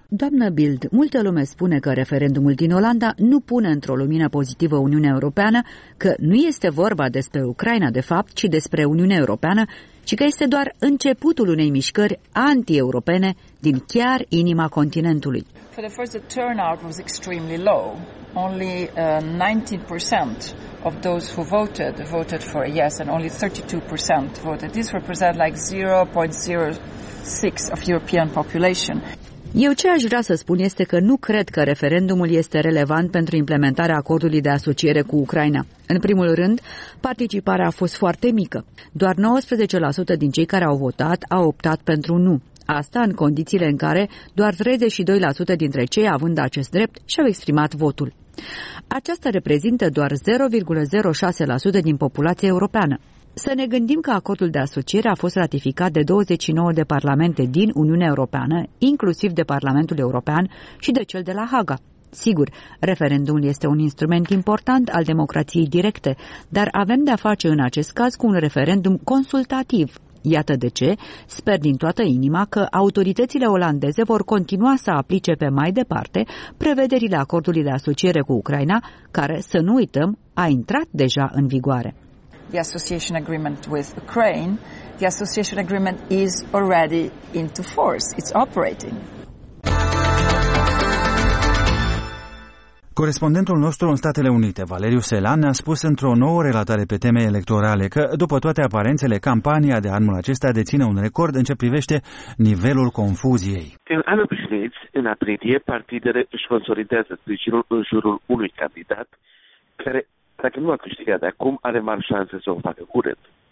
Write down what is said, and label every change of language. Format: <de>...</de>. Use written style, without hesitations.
<ro>Doamnă Bildt, multă lume spune că referendumul din Olanda nu pune într-o lumină pozitivă Uniunea Europeană, că nu este vorba despre Ucraina de fapt, ci despre Uniunea Europeană, ci că este doar începutul unei mișcări anti-europene din chiar inima continentului.</ro> <en>For the first, the turnout was extremely low. Only 19% of those who voted voted for a yes and only 32% voted. This represent like 0.06 of European population.</en> <ro>Eu ce aș vrea să spun este că nu cred că referendumul este relevant pentru implementarea acordului de asociere cu Ucraina. În primul rând, participarea a fost foarte mică. Doar 19% din cei care au votat au optat pentru nu. Asta în condițiile în care doar 32% dintre cei având acest drept și-au exprimat votul. Aceasta reprezintă doar 0,06% din populația europeană. Să ne gândim că acordul de asociere a fost ratificat de 29 de parlamente din Uniunea Europeană, inclusiv de Parlamentul European și de cel de la Haga. Sigur, referendumul este un instrument important al democrației directe, dar avem de-a face în acest caz cu un referendum consultativ. Iată de ce sper din toată inima că autoritățile olandeze vor continua să aplice pe mai departe prevederile acordului de asociere cu Ucraina, care, să nu uităm, a intrat deja în vigoare.</ro> <en>The association agreement with Ukraine, the association agreement is already into force. It's operating.</en> <ro>Corespondentul nostru în Statele Unite, Valeriu Selan, ne-a spus într-o nouă relatare pe teme electorale că, după toate aparențele, campania de anul acesta deține un record în ce privește nivelul confuziei. În anul obișnuit, în aprilie, partidele își consolidează sprijinul în jurul unui candidat care, dacă nu a câștigat de acum, are mari șanse să o facă curând.</ro>